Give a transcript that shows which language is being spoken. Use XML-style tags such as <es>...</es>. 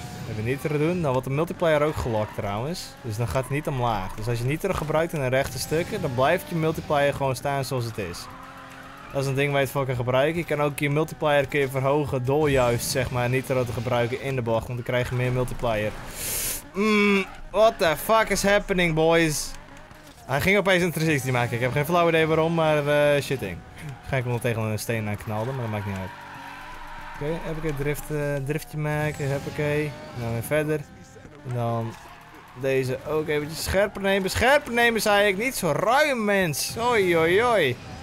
<nl>Even nitro doen. Dan wordt de multiplayer ook gelokt, trouwens. Dus dan gaat het niet omlaag. Dus als je nitro gebruikt in de rechte stukken, dan blijft je multiplayer gewoon staan zoals het is. Dat is een ding waar je het voor kan gebruiken. Je kan ook je multiplier kun je verhogen door juist, zeg maar, nitro te gebruiken in de bocht. Want dan krijg je meer multiplier.</nl> <en>What the fuck is happening, boys?</en> <nl>Hij ging opeens een 360 maken. Ik heb geen flauw idee waarom, maar shitting. Ga ik hem nog tegen een steen aan knalden, maar dat maakt niet uit. Oké, heb ik een driftje maken, heb ik een. Dan weer verder. En dan deze ook eventjes scherper nemen. Scherper nemen, zei ik. Niet zo ruim, mens. Oi, oi, oi.</nl>